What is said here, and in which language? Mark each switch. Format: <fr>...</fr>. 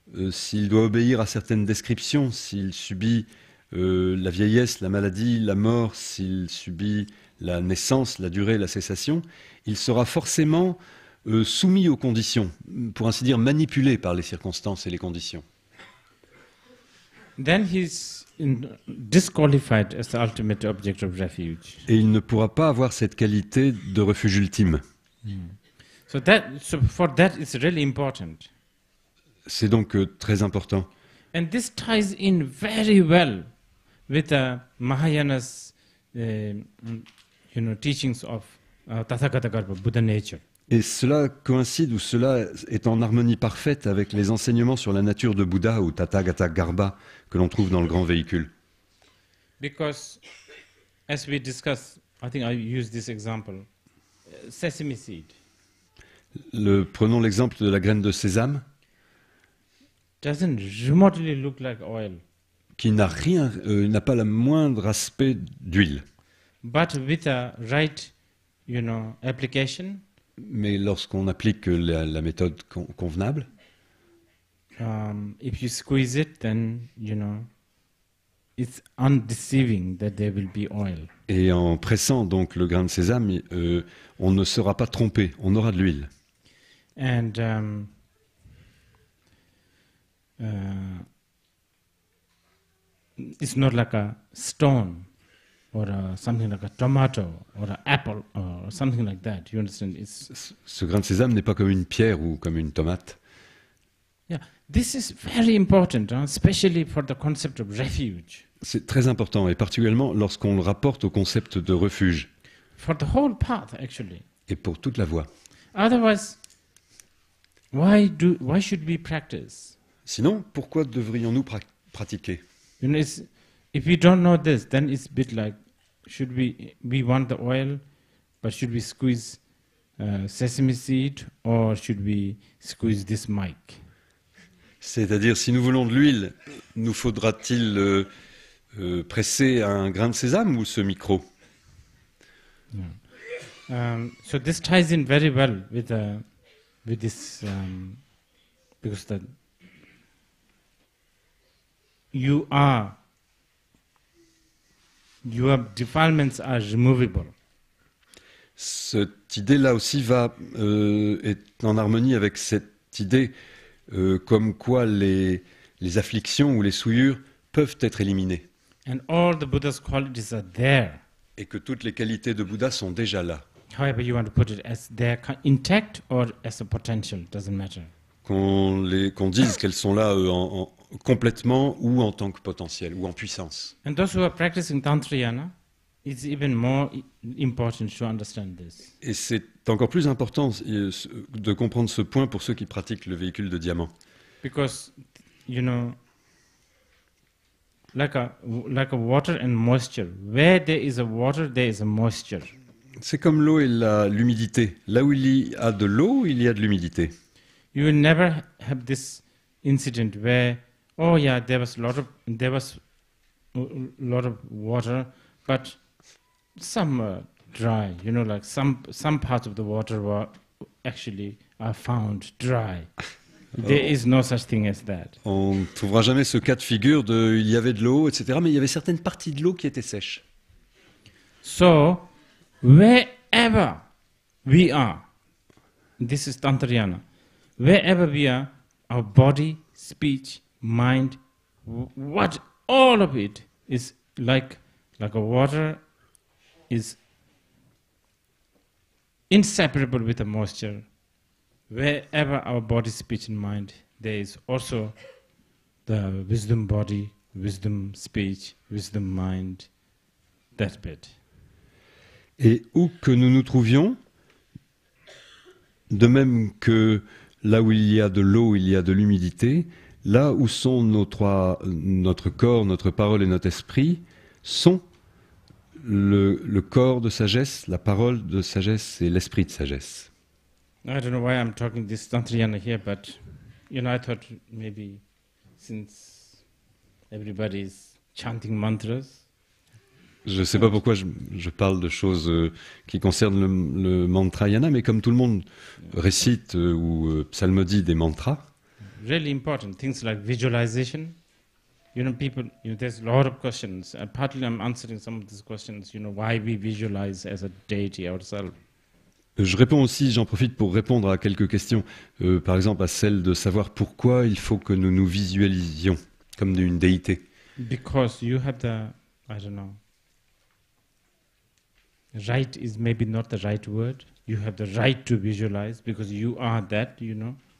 <fr>s'il doit obéir à certaines descriptions, s'il subit la vieillesse, la maladie, la mort, s'il subit la naissance, la durée, la cessation, il sera forcément soumis aux conditions, pour ainsi dire manipulé par les circonstances et les conditions.</fr> <en>Then he's disqualified as the ultimate object of refuge.</en> <fr>Et il ne pourra pas avoir cette qualité de refuge ultime.</fr> <en>So for that it's really important.</en> <fr>C'est donc très important.</fr> <en>And this ties in very well with the Mahayana's you know, teachings of Tathagata Garbha, Buddha nature.</en> <fr>Et cela coïncide ou cela est en harmonie parfaite avec les enseignements sur la nature de Bouddha ou Tathagata Garbha que l'on trouve dans le grand véhicule.</fr> <en>Because, as we discussed, I think I use this example, sesame seed.</en> <fr>Prenons l'exemple de la graine de sésame.</fr> <en>Doesn't remotely look like oil.</en> <fr>qui n'a rien, n'a pas le moindre aspect d'huile.</fr> <en>But with a right, you know, application.</en> <fr>Mais lorsqu'on applique la méthode convenable.</fr> <en>If you squeeze it, then you know, it's undeceiving that there will be oil.</en> <fr>Et en pressant donc le grain de sésame, on ne sera pas trompé, on aura de l'huile.</fr> <en>And it's not like a stone or something like a tomato or an apple or something like that. You understand? It's</en> <fr>ce grain de sésame n'est pas comme une pierre ou comme une tomate.</fr> <en>Yeah, this is very important, hein, especially for the concept of refuge.</en> <fr>C'est très important, et particulièrement lorsqu'on le rapporte au concept de refuge.</fr> <en>For the whole path, actually.</en> <fr>Et pour toute la voie.</fr> <en>Otherwise, why should we practice?</en> <fr>Sinon, pourquoi devrions-nous pratiquer?</fr> <en>You know, if we don't know this, then it's a bit like, should we want the oil, but should we squeeze sesame seed, or should we squeeze this mic?</en> <fr>C'est-à-dire, si nous voulons de l'huile, nous faudra-t-il presser un grain de sésame ou ce micro?</fr> <en>So this ties in very well with with this because that your defilements are removable.</en> <fr>Cette idée-là aussi va est en harmonie avec cette idée comme quoi les afflictions ou les souillures peuvent être éliminées.</fr> <en>And all the Buddha's qualities are there.</en> <fr>Et que toutes les qualités de Bouddha sont déjà là.</fr> <en>However, you want to put it as they're intact or as a potential, doesn't matter.</en> <fr>Qu'on dise qu'elles sont là complètement ou en tant que potentiel ou en puissance.</fr> <en>And those who are practicing Tantrayana, it's even more important to understand this.</en> <fr>Et c'est encore plus important de comprendre ce point pour ceux qui pratiquent le véhicule de diamant.</fr> <en>Because, you know. Like a water and moisture. Where there is a water, there is a moisture.</en> <fr>C'est comme l'eau et l'humidité. Là où il y a de l'eau, il y a de l'humidité.</fr> <en>You will never have this incident where, oh yeah, there was a lot of water, but some dry. You know, like some parts of the water are found dry. There is no such thing as that.</en> <fr>On ne trouvera jamais ce cas de figure de il y avait de l'eau, etc. Mais il y avait certaines parties de l'eau qui étaient sèches.</fr> <en>So, wherever we are, this is Tantrayana. Wherever we are, our body, speech, mind, what all of it is like a water is inseparable with the moisture. Wherever our body, speech, and mind, there is also the wisdom body, wisdom speech, wisdom mind, that bit.</en> <fr>Et où que nous nous trouvions, de même que là où il y a de l'eau, il y a de l'humidité, là où sont nos trois, notre corps, notre parole et notre esprit, sont le corps de sagesse, la parole de sagesse et l'esprit de sagesse.</fr> <en>I don't know why I'm talking this Tantrayana here, but you know, I thought maybe since everybody is chanting mantras.</en> <fr>Je ne sais pas pourquoi je parle de choses qui concernent le mantrayana, mais comme tout le monde récite ou psalmodie des mantras.</fr> <en>Really important things like visualization. You know, people. You know, there's a lot of questions. Partly, I'm answering some of these questions. You know, why we visualize as a deity ourselves.</en> <fr>Je réponds aussi, j'en profite pour répondre à quelques questions, par exemple à celle de savoir pourquoi il faut que nous nous visualisions comme une déité.</fr> <en>Because you have the, I don't know, right is maybe not the right word. You have the right to visualize because you are that, you know.</en>